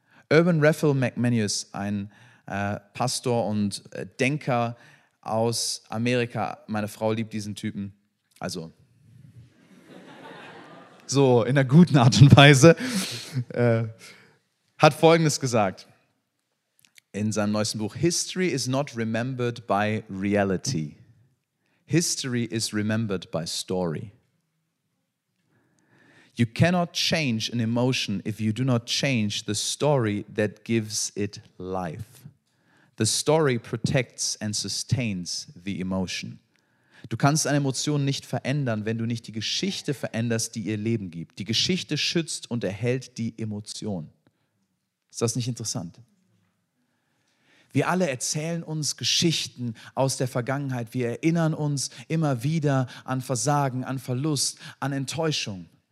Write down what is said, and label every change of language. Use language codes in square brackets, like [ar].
[de] Urban Raphael McManus, ein Pastor und Denker aus Amerika, meine Frau liebt diesen Typen, also so in einer guten Art und Weise, hat Folgendes gesagt in seinem neuesten Buch: [en] History is not remembered by reality. History is remembered by story. You cannot change an emotion if you do not change the story that gives it life. The story protects and sustains the emotion. [de] Du kannst eine Emotion nicht verändern, wenn du nicht die Geschichte veränderst, die ihr Leben gibt. Die Geschichte schützt und erhält die Emotion. Ist das nicht interessant? Wir alle erzählen uns Geschichten aus der Vergangenheit. Wir erinnern uns immer wieder an Versagen, an Verlust, an Enttäuschung.